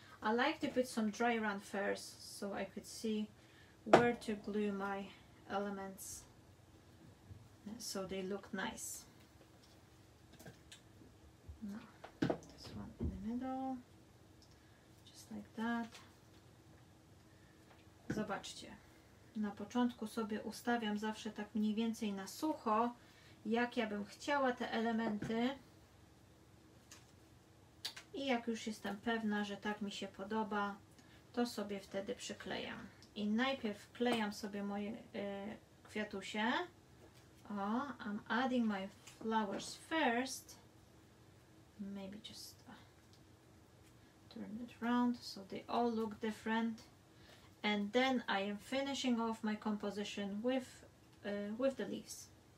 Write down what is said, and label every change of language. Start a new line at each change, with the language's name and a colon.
English: I like to put some dry around first so I could see where to glue my elements so they look nice. Now, this one in the middle, just like that.
Polish: Zobaczcie, na początku sobie ustawiam zawsze tak mniej więcej na sucho, jak ja bym chciała te elementy. I jak już jestem pewna, że tak mi się podoba, to sobie wtedy przyklejam. I najpierw klejam sobie moje kwiatusie.
English: O, I'm adding my flowers first. Maybe just turn it around so they all look different. And then I am finishing off my composition with the leaves.